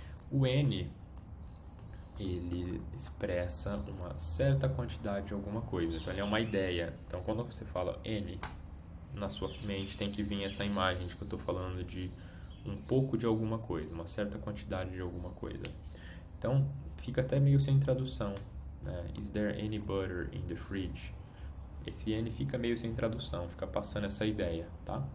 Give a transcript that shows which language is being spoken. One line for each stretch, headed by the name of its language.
Portuguese: O N, ele expressa uma certa quantidade de alguma coisa, então ele é uma ideia. Então quando você fala N, na sua mente tem que vir essa imagem de que eu estou falando de um pouco de alguma coisa, uma certa quantidade de alguma coisa. Então, fica até meio sem tradução, né?
English: Is there any butter in the fridge?
Portuguese: Esse N fica meio sem tradução, fica passando essa ideia, tá?